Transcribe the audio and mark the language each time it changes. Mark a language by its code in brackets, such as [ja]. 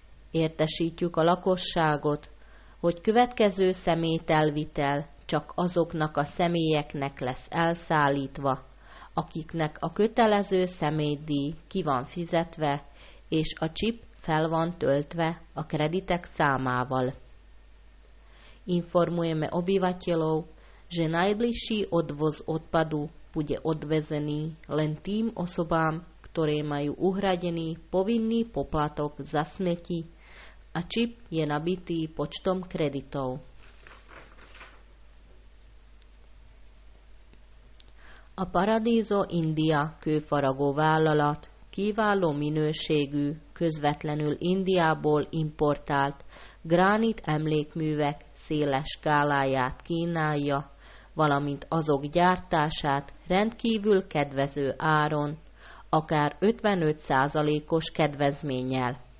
[hu] Értesítjük a lakosságot, hogy következő szemételvitel csak azoknak a személyeknek lesz elszállítva, akiknek a kötelező személydíj ki van fizetve, és a chip fel van töltve a kreditek számával. [sk] Informujeme obyvateľov, že najbližší odvoz odpadu bude odvezený len tým osobám, ktoré majú uhradený povinný poplatok za smeti a chip je nabitý počtom kreditov. [hu] A Paradiso India kőfaragó vállalat kiváló minőségű, közvetlenül Indiából importált gránit emlékművek széles skáláját kínálja, valamint azok gyártását rendkívül kedvező áron, akár 55%-os kedvezménnyel.